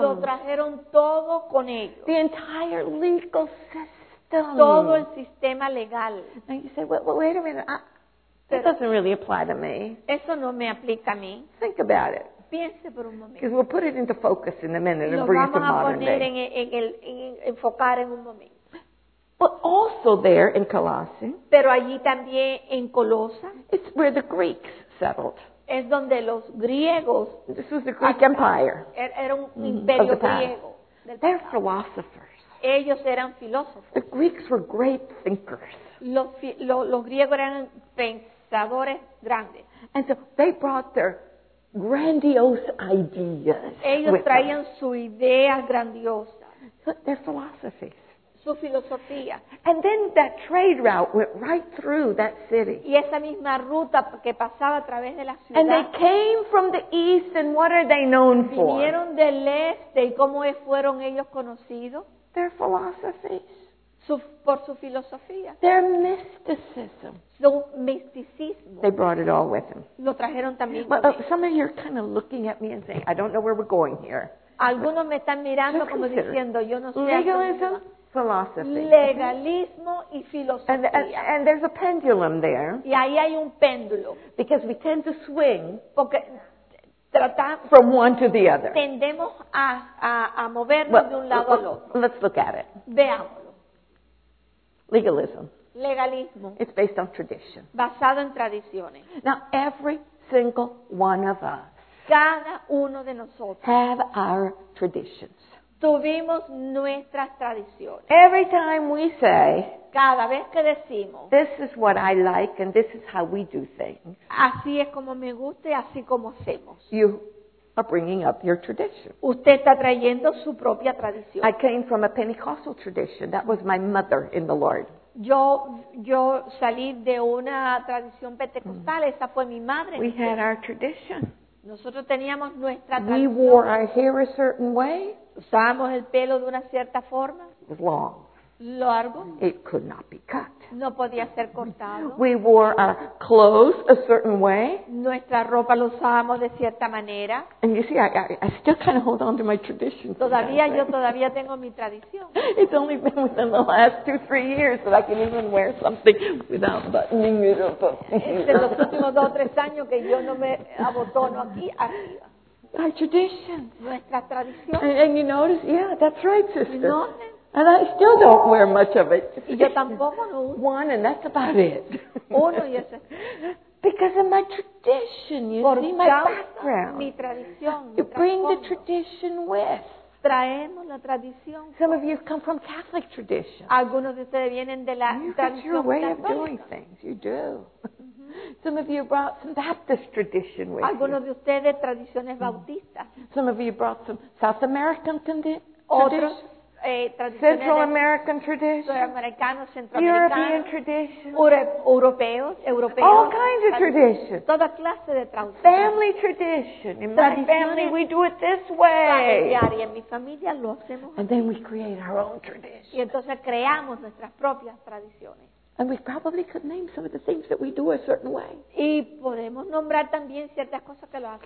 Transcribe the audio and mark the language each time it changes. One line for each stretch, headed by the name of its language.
Spanish: Lo trajeron todo con ellos.
English: The entire legal system.
Spanish: Todo el sistema legal.
English: And you say, well, wait a minute, that doesn't really apply to me.
Spanish: Eso no me aplica a mí.
English: Think about it.
Spanish: Piense por un momento.
English: Because we'll put it into focus in a minute and bring it to modern day.
Spanish: Lo vamos a poner en enfocar en un momento.
English: But also there in Colossae.
Spanish: Pero allí también en Colosa.
English: It's where the Greeks settled.
Spanish: Es donde los griegos.
English: This was the Greek Empire.
Spanish: Era un imperio griego.
English: They're philosophers.
Spanish: Ellos eran filósofos.
English: The Greeks were great thinkers.
Spanish: Los griegos eran pensadores grandes.
English: And so they brought their grandiose ideas.
Spanish: Ellos traían sus ideas grandiosas.
English: Their philosophies.
Spanish: Su filosofía.
English: And then that trade route went right through that city.
Spanish: Y esa misma ruta que pasaba a través de la ciudad.
English: And they came from the east, and what are they known for?
Spanish: Vinieron del este, y cómo fueron ellos conocidos.
English: Their philosophies.
Spanish: Por su filosofía.
English: Their mysticism.
Spanish: Su misticismo.
English: They brought it all with them.
Spanish: Lo trajeron también.
English: Well, some of you are kind of looking at me and saying, I don't know where we're going here.
Spanish: Algunos me están mirando como diciendo, yo no sé.
English: Legalism, philosophy.
Spanish: Legalismo y filosofía.
English: And there's a pendulum there.
Spanish: Y ahí hay un péndulo.
English: Because we tend to swing.
Spanish: Porque
English: from one to the other.
Spanish: Tendemos a movernos de un lado al otro.
English: Let's look at it.
Spanish: Veámoslo.
English: Legalism.
Spanish: Legalismo.
English: It's based on tradition.
Spanish: Basado en tradiciones.
English: Now, every single one of us
Spanish: cada uno de nosotros
English: have our traditions.
Spanish: Tuvimos nuestras tradiciones.
English: Every time we say,
Spanish: cada vez que decimos,
English: this is what I like and this is how we do things.
Spanish: Así es como me gusta y así como hacemos.
English: You are bringing up your tradition.
Spanish: Usted está trayendo su propia tradición.
English: I came from a Pentecostal tradition. That was my mother in the Lord.
Spanish: Yo salí de una tradición pentecostal. Esa fue mi madre.
English: We had our tradition.
Spanish: Nosotros teníamos nuestra tradición.
English: We wore our hair a certain way.
Spanish: Usábamos el pelo de una cierta forma.
English: It was long.
Spanish: Largo.
English: It could not be cut.
Spanish: No podía ser cortado.
English: We wore our clothes a certain way.
Spanish: Nuestra ropa la usábamos de cierta manera.
English: And you see, I still kind of hold on to my tradition.
Spanish: Todavía yo todavía tengo mi tradición.
English: It's only been within the last 2-3 years that I can even wear something without buttoning it up.
Spanish: Es de los últimos 2-3 años que yo no me abotono aquí arriba.
English: Our tradition.
Spanish: Nuestra tradición.
English: And you notice, yeah, that's right, sister.
Spanish: No.
English: And I still don't wear much of it.
Spanish: Yo tampoco no uso.
English: One, and that's about it.
Spanish: Uno y ese.
English: Because of my tradition, you
Spanish: por
English: see, my background.
Spanish: Mi tradición,
English: you bring the tradition with.
Spanish: Traemos la tradición.
English: Some of you come from Catholic tradition.
Spanish: Algunos de ustedes vienen de la
English: you
Spanish: tradición
English: your way
Spanish: católica.
English: Of doing things. You do. Some of you brought some Baptist tradition with
Spanish: algunos
English: you.
Spanish: De ustedes tradiciones bautistas.
English: Some of you brought some South American tradition.
Spanish: Otros.
English: Central American tradition, European tradition,
Spanish: europeos,
English: all kinds of traditions,
Spanish: toda clase de traducción.
English: Family tradition. In my family, we do it this way.
Spanish: Y en mi familia lo hacemos.
English: And then we create our own tradition.
Spanish: Y entonces creamos nuestras propias tradiciones.
English: And we probably could name some of the things that we do a certain way.
Spanish: Y podemos nombrar también ciertas cosas que lo hacemos.